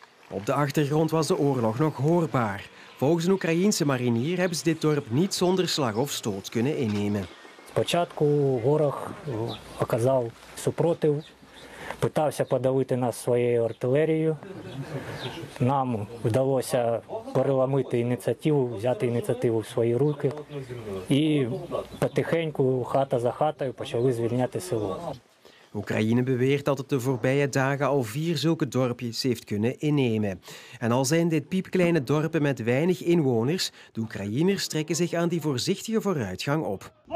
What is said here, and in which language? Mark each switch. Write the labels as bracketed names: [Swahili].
[Dutch] Op de achtergrond was de oorlog nog hoorbaar. Volgens een Oekraïense marinier hebben ze dit dorp niet zonder slag of stoot kunnen innemen. [Ukrainian] Спочатку ворог оказав супротив, пытався подавити нас своєю артилерією. Нам вдалося переломити ініціативу, взяти ініціативу в свої руки. І потихеньку, хата за хатою, почали звільняти село. [Dutch] Oekraïne beweert dat het de voorbije dagen al 4 zulke dorpjes heeft kunnen innemen. En al zijn dit piepkleine dorpen met weinig inwoners, de Oekraïners trekken zich aan die voorzichtige vooruitgang op.